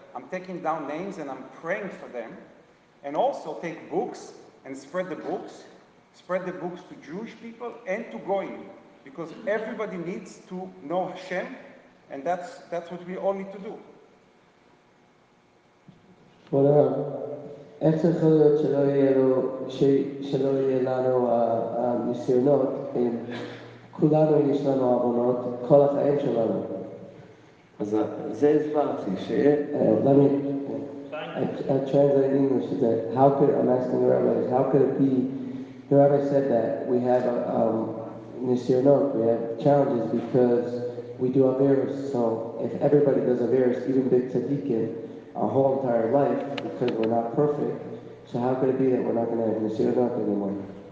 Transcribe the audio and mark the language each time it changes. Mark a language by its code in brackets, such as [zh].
[en] I'm taking down names and I'm praying for them. And also take books and spread the books. Spread the books to Jewish people and to Goyim. Because everybody needs to know Hashem. And that's what we all need to do. [he] Well, איך זה יכול להיות שלא יהיה לו, שלא יהיה לנו הניסיונות אם כולנו יש לנו עוונות כל החיים שלנו? אז זה הסברתי, שיהיה... למי? [en] Thank translate English is that how could, I'm asking the rabbis, how could it be, the rabbi said that we have a, Nisir Nok, we have challenges because we do Averis. So if everybody does Averis, even big tzaddikim, our whole entire life, because we're not perfect, so how could it be that we're not going to have Nisir Nok anymore?